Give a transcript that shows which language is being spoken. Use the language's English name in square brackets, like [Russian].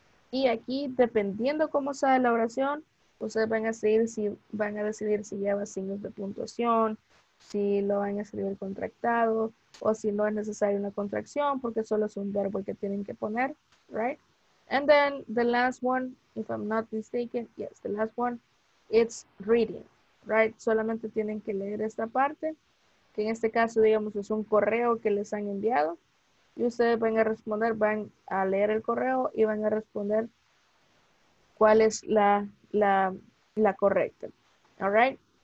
[Spanish] Y aquí, dependiendo cómo sale la oración, ustedes van a decidir si, lleva signos de puntuación, si lo van a escribir contractado, o si no es necesaria una contracción, porque solo es un verbo que tienen que poner, right? [English] And then, the last one, if I'm not mistaken, yes, the last one, it's reading, right? [Spanish] Solamente tienen que leer esta parte, que en este caso, digamos, es un correo que les han enviado, y ustedes van a responder, van a leer el correo y van a responder cuál es la correcta, all right?